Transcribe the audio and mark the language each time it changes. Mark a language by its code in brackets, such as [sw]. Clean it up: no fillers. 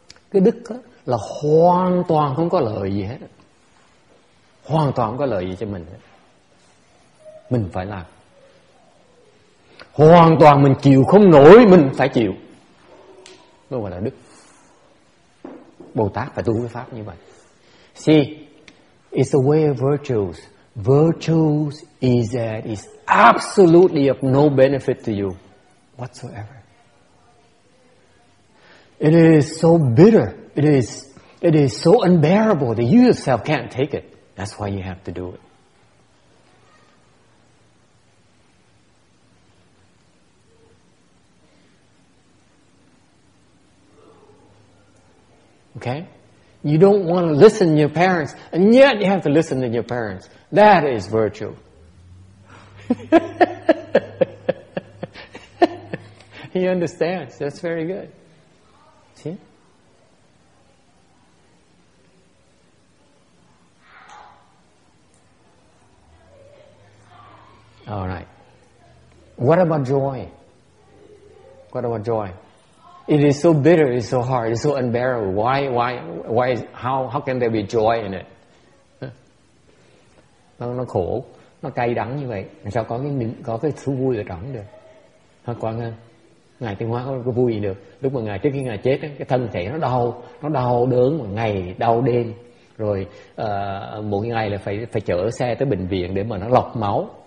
[vi] Cái đức đó là hoàn toàn không có lợi gì hết. Hoàn toàn không có lợi gì cho mình hết. Mình phải làm. Hoàn toàn mình chịu không nổi, mình phải chịu. Mới gọi là đức. Bồ Tát phải tu cái pháp như vậy. [en] See, it's the way of virtues. Virtues is that it's absolutely of no benefit to you whatsoever. It is so bitter. It is so unbearable that you yourself can't take it. That's why you have to do it. Okay? You don't want to listen to your parents, and yet you have to listen to your parents. That is virtue. He understands. That's very good. See? All right. What about joy? What about joy? It is so bitter, it's so hard, it's so unbearable. How can there be joy in it? [vi] Nó khổ, nó cay đắng như vậy. Sao có cái thú vui ở trong được? Thôi Quang Ngân, Ngài Tiên Hóa có vui gì được? Lúc mà Ngài trước khi Ngài chết, cái thân thể nó đau đớn, ngày đau đêm. Rồi một ngày là phải chở xe tới bệnh viện để mà nó lọc máu.